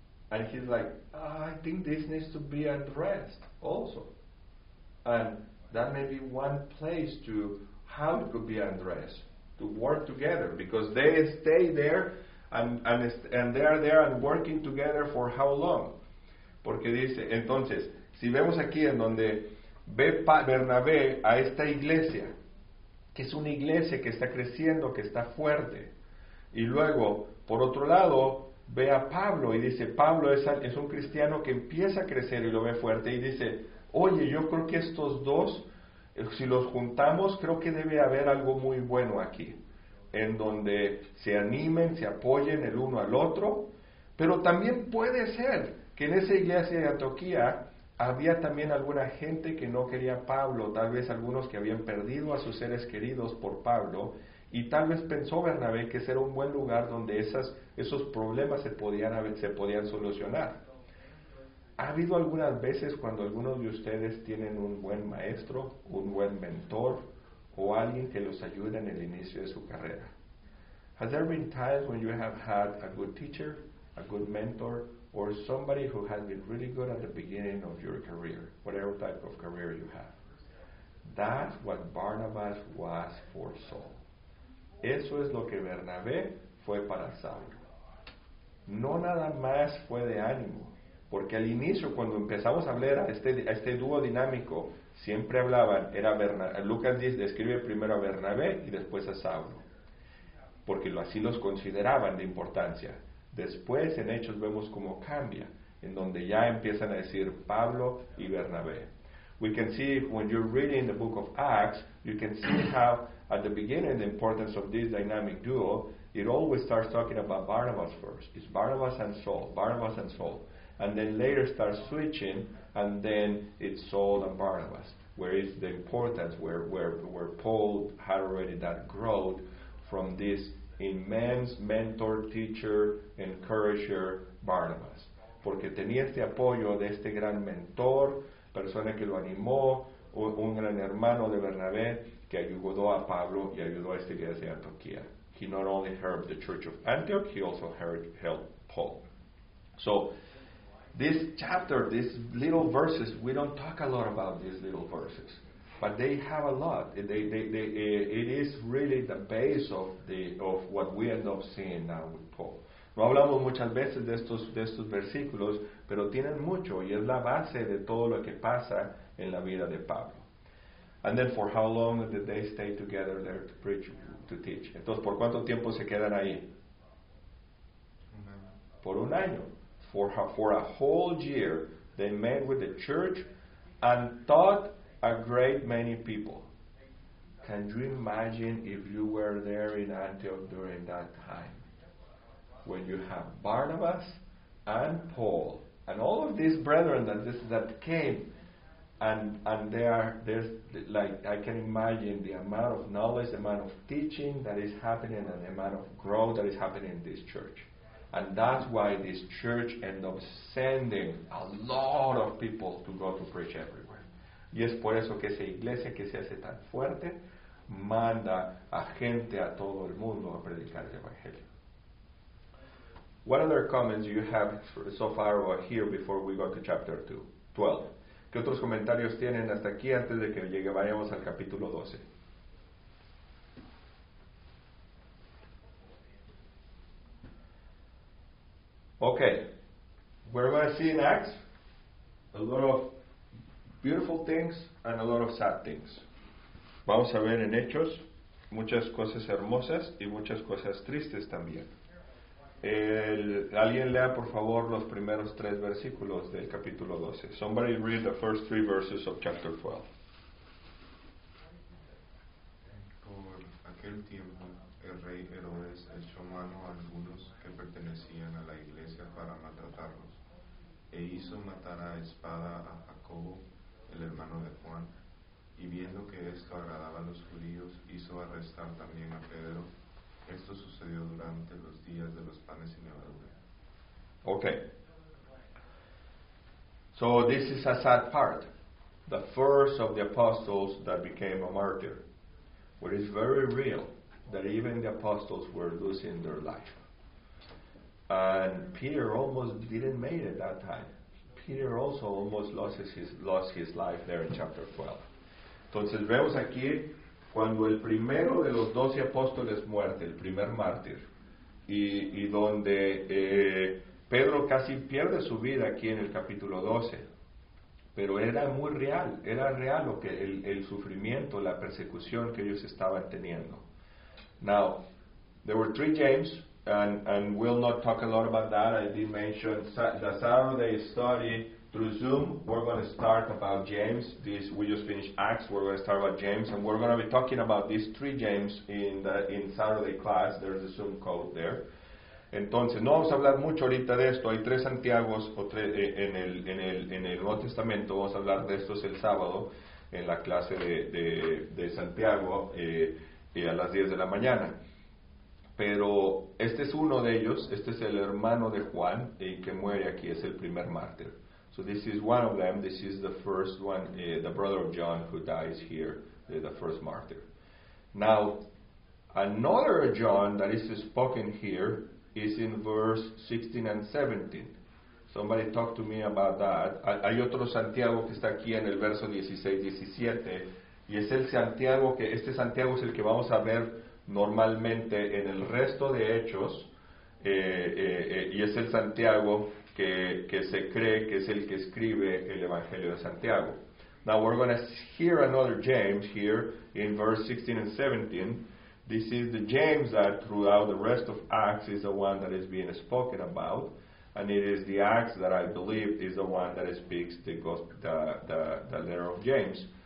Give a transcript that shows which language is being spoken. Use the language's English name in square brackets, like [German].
[English] And he's like, oh, I think this needs to be addressed also. And that may be one place to how it could be addressed, to work together, because they stay there and they are there and working together for how long? [Spanish] Porque dice, entonces, si vemos aquí en donde ve Bernabé a esta iglesia, que es una iglesia que está creciendo, que está fuerte, y luego, por otro lado, ve a Pablo y dice, Pablo es un cristiano que empieza a crecer y lo ve fuerte, y dice, oye, yo creo que estos dos, si los juntamos, creo que debe haber algo muy bueno aquí, en donde se animen, se apoyen el uno al otro. Pero también puede ser que en esa iglesia de Antioquía había también alguna gente que no quería a Pablo, tal vez algunos que habían perdido a sus seres queridos por Pablo, y tal vez pensó Bernabé que ese era un buen lugar donde esos problemas se podían solucionar. ¿Ha habido algunas veces cuando algunos de ustedes tienen un buen maestro, un buen mentor, o alguien que los ayude en el inicio de su carrera? [English] Has there been times when you have had a good teacher, a good mentor, or somebody who has been really good at the beginning of your career, whatever type of career you have? That's what Barnabas was for Saul. [Spanish] Eso es lo que Bernabé fue para Saul. No nada más fue de ánimo, porque al inicio, cuando empezamos a hablar a este dúo dinámico, siempre hablaban, Lucas 10 describe primero a Bernabé y después a Saulo, porque así los consideraban de importancia. Después, en Hechos, vemos cómo cambia, en donde ya empiezan a decir Pablo y Bernabé. [English] We can see, when you're reading the book of Acts, you can see how, at the beginning, the importance of this dynamic duo, it always starts talking about Barnabas first. It's Barnabas and Saul, Barnabas and Saul. And then later starts switching, and then it's Saul and Barnabas, where is the importance, where Paul had already that growth from this immense mentor, teacher, encourager, Barnabas. [Spanish] Porque tenía este apoyo de este gran mentor, persona que lo animó, un gran hermano de Bernabé, que ayudó a Pablo y ayudó a esta iglesia de Antioquía. [English] He not only helped the church of Antioch, he also helped Paul. So, this chapter, these little verses, we don't talk a lot about these little verses, but they have a lot. It is really the base of what we end up seeing now with Paul. [Spanish] No hablamos muchas veces de estos versículos, pero tienen mucho, y es la base de todo lo que pasa en la vida de Pablo. [English] And then, for how long did they stay together there to preach, to teach? [Spanish] Entonces, ¿por cuánto tiempo se quedan ahí? Por un año. [English] For a whole year, they met with the church and taught a great many people. Can you imagine if you were there in Antioch during that time? When you have Barnabas and Paul and all of these brethren that came, and there's like, I can imagine the amount of knowledge, the amount of teaching that is happening, and the amount of growth that is happening in this church. And that's why this church ended up sending a lot of people to go to preach everywhere. [Spanish] Y es por eso que esa iglesia que se hace tan fuerte manda a gente a todo el mundo a predicar el evangelio. [English] What other comments you have so far or here before we go to chapter 12? [Spanish] ¿Qué otros comentarios tienen hasta aquí antes de que vayamos al capítulo 12? [English] Okay, we're going to see in Acts a lot of beautiful things and a lot of sad things. [Spanish] Vamos a ver en Hechos muchas cosas hermosas y muchas cosas tristes también. Alguien lea por favor los primeros tres versículos del capítulo 12. [English] Somebody read the first three verses of chapter 12. [Spanish] Por aquel tiempo el rey Herodes echó echó mano a algunos que pertenecían a la iglesia para maltratarlos, e hizo matar a espada a Jacobo, el hermano de Juan, y viendo que esto agradaba a los judíos, hizo arrestar también a Pedro. Esto sucedió durante los días de los panes sin levadura. [English] Okay. So this is a sad part. The first of the apostles that became a martyr. But it's very real that even the apostles were losing their life. And Peter almost didn't make it that time. Peter also almost lost his life there in chapter 12. [Spanish] Entonces vemos aquí cuando el primero de los 12 apóstoles muerte, el primer mártir, y donde Pedro casi pierde su vida aquí en el capítulo 12. Pero era muy real, era real lo que el sufrimiento, la persecución que ellos estaban teniendo. [English] Now, there were three James, and we'll not talk a lot about that. I did mention the Saturday study through Zoom. We're going to start about James. We just finished Acts. We're going to start about James, and we're going to be talking about these three James in Saturday class. There's a Zoom code there. [Spanish] Entonces, no vamos a hablar mucho ahorita de esto. Hay tres Santiagos en el Nuevo Testamento. Vamos a hablar de esto el sábado en la clase de Santiago a las 10 de la mañana. Pero este es uno de ellos. Este es el hermano de Juan que muere aquí. Es el primer mártir. [English] So this is one of them. This is the first one, the brother of John who dies here, the first martyr. Now, another John that is spoken here is in verse 16 and 17. Somebody talk to me about that. [Spanish] Hay otro Santiago que está aquí en el verso 16-17, y es el Santiago que, este Santiago es el que vamos a ver normalmente en el resto de Hechos, y es el Santiago que se cree que es el que escribe el Evangelio de Santiago. [English] Now we're going to hear another James here in verse 16 and 17. This is the James that throughout the rest of Acts is the one that is being spoken about. And it is the Acts that I believe is the one that speaks the letter of James.